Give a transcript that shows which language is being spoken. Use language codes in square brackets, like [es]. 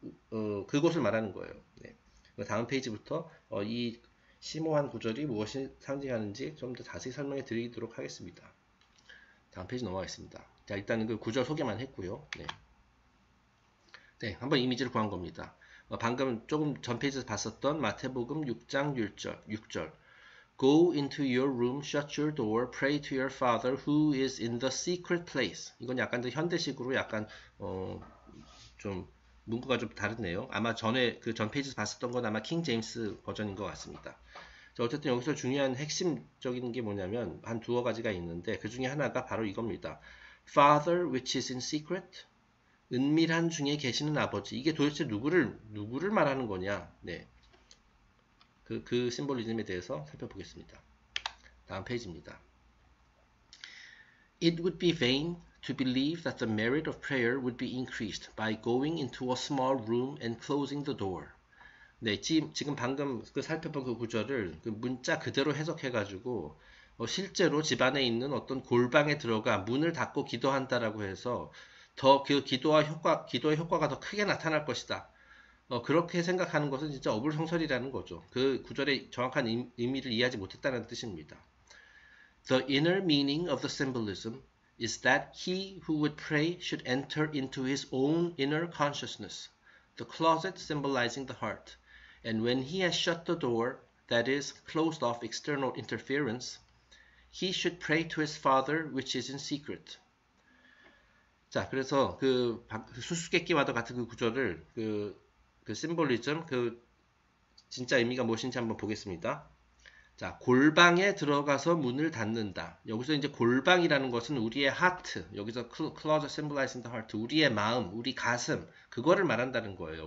[ko] 그곳을 말하는 거예요. 네. 다음 페이지부터 이 심오한 구절이 무엇을 상징하는지 좀더 자세히 설명해 드리도록 하겠습니다. 다음 페이지 넘어가겠습니다. 자, 일단은 그 구절 소개만 했고요. 네, 한번 이미지를 구한 겁니다. 방금 조금 전 페이지에서 봤었던 마태복음 6장 6절. [en] Go into your room, shut your door, pray to your father who is in the secret place. [ko] 이건 약간 더 현대식으로 약간 좀 문구가 좀 다르네요. 아마 전에 그전 페이지에서 봤었던 건 아마 킹 제임스 버전인 것 같습니다. 자, 어쨌든 여기서 중요한 핵심적인 게 뭐냐면 한 두어 가지가 있는데 그 중에 하나가 바로 이겁니다. [en] Father which is in secret. [ko] 은밀한 중에 계시는 아버지. 이게 도대체 누구를 말하는 거냐? 네. 그 심볼리즘에 대해서 살펴보겠습니다. 다음 페이지입니다. [en] It would be vain to believe that the merit of prayer would be increased by going into a small room and closing the door. [ko] 네, 지금 방금 그 살펴본 그 구절을 그 문자 그대로 해석해가지고 실제로 집 안에 있는 어떤 골방에 들어가 문을 닫고 기도한다라고 해서 더그 기도의 효과가 더 크게 나타날 것이다. 그렇게 생각하는 것은 진짜 어불성설이라는 거죠. 그 구절의 정확한 의미를 이해하지 못했다는 뜻입니다. [en] The inner meaning of the symbolism is that he who would pray should enter into his own inner consciousness, the closet symbolizing the heart, and when he has shut the door, that is, closed off external interference, he should pray to his father which is in secret. [ko] 자, 그래서 그 수수께끼와도 같은 그 구절을 그 심볼리즘, 그 진짜 의미가 무엇인지 한번 보겠습니다. 자, 골방에 들어가서 문을 닫는다. 여기서 이제 골방이라는 것은 우리의 하트, 여기서 [en] closet symbolizing the heart, [ko] 우리의 마음, 우리 가슴, 그거를 말한다는 거예요.